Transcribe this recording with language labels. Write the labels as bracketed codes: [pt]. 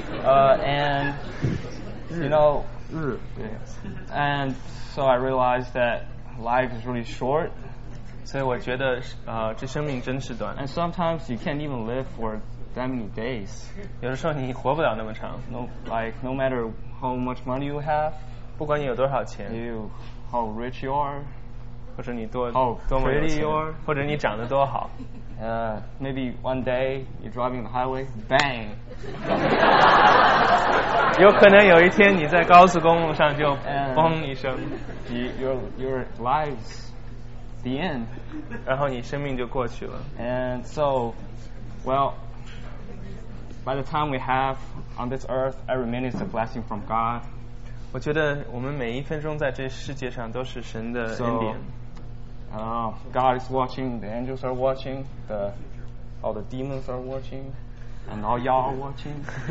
[en] And you know, and so I realized that life is really short. [zh] 所以我觉得这生命真是短。 [en] And sometimes you can't even live for that many days. [zh] 有的时候你活不了那么长。 [en] No matter how much money you have, [zh] 不管你有多少钱 [en] how rich you are. [zh] 或者你多么有钱，或者你长得多好。 [en] Maybe one day you're driving the highway, bang. [zh] 有可能有一天你在高速公路上就嘣一声。 [en] Your life's the end. [zh] 然后你生命就过去了。 [en] And so, well, by the time we have on this earth, every minute is a blessing from God. [zh] 我觉得我们每一分钟在这世界上都是神的恩典。 [en] God is watching, the angels are watching, all the demons are watching, and all y'all are watching.